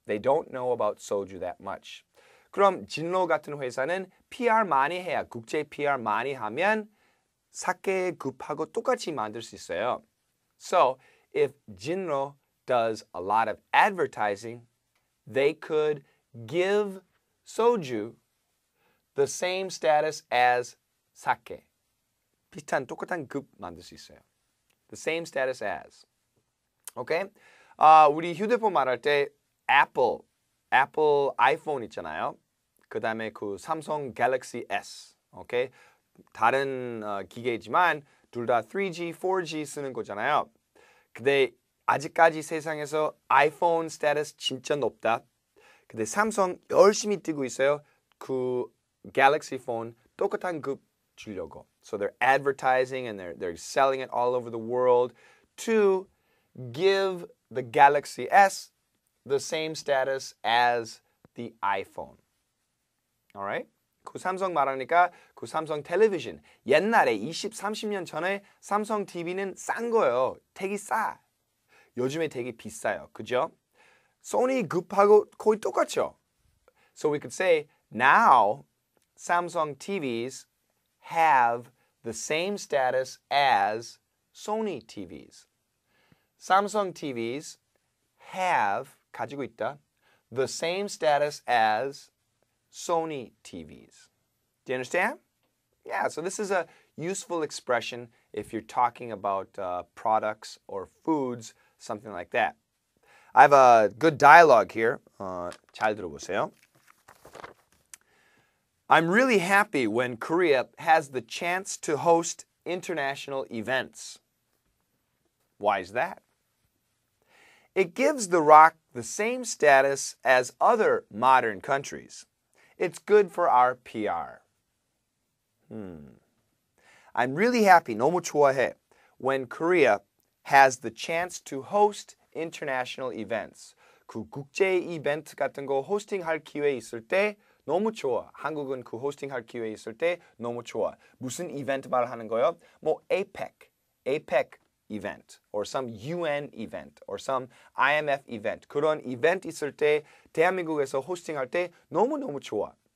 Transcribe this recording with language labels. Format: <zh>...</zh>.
<en>They don't know about soju that much.</en> <ko>그럼 진로 같은 회사는 PR 많이 해야, 국제 PR 많이 하면 sake 급하고 똑같이 만들 수 있어요.</ko> <en>So if 진로 does a lot of advertising, they could give soju the same status as sake.</en> <ko>비슷한 똑같은 급 만들 수 있어요.</ko> <en>The same status as. Okay?</en> <ko>우리 휴대폰 말할 때 Apple iPhone 있잖아요. 그 다음에 그 삼성 갤럭시 S.</ko> <en>Okay?</en> <ko>다른 기계이지만 둘 다 3G, 4G 쓰는 거잖아요. 근데 아직까지 세상에서 iPhone 스태터스 진짜 높다. 근데 삼성 열심히 뛰고 있어요. 그 갤럭시 폰 똑같은 급 주려고.</ko> <en>So they're advertising and they're selling it all over the world to give the Galaxy S the same status as the iPhone. All right?</en> <ko>그 삼성 말하니까 그 삼성 텔레비전 옛날에 20, 30년 전에 삼성 TV는 싼 거예요. 되게 싸. 요즘에 되게 비싸요. 그죠? 소니 급하고 거의 똑같죠.</ko> <en>So we could say now Samsung TVs have the same status as Sony TVs. Samsung TVs have,</en> <ko>가지고 있다,</ko> <en>the same status as Sony TVs. Do you understand? Yeah, so this is a useful expression if you're talking about products or foods, something like that. I have a good dialogue here.</en> <ko>잘 들어보세요.</ko> <en>I'm really happy when Korea has the chance to host international events. Why is that? It gives The Rock the same status as other modern countries. It's good for our PR. I'm really happy,</en> <ko>너무 좋아해,</ko> <en>when Korea has the chance to host international events.</en> <ko>그 국제 이벤트 같은 거 hosting 할 기회 있을 때 너무 좋아. 한국은 그 호스팅 할 기회 있을 때 너무 좋아. 무슨 이벤트 말하는 거예요?</ko> <en>뭐 APEC event or some UN event or some IMF event.</en> <ko>그런 이벤트 있을 때 대한민국에서 호스팅 할 때 너무 좋아.</ko>